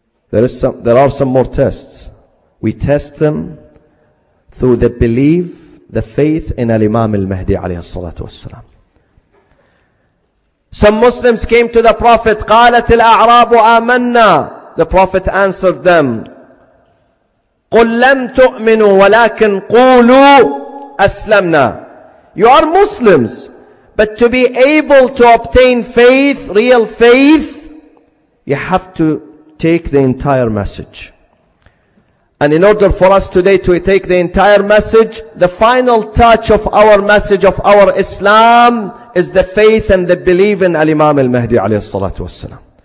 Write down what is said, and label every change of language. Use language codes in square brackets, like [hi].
[en] There are some more tests. We test them through the belief, the faith in Al-Imam Al-Mahdi alayhi salatu wasalam. Some Muslims came to the Prophet, [ar] قالت الأعراب آمنا. [en] The Prophet answered them, [ar] قل لم تؤمنوا ولكن قولوا أسلمنا. [en] You are Muslims, but to be able to obtain faith, real faith, you have to take the entire message. And in order for us today to take the entire message, the final touch of our message of our Islam is the faith and the belief in Al-Imam Al-Mahdi alayhi salatu wasalam.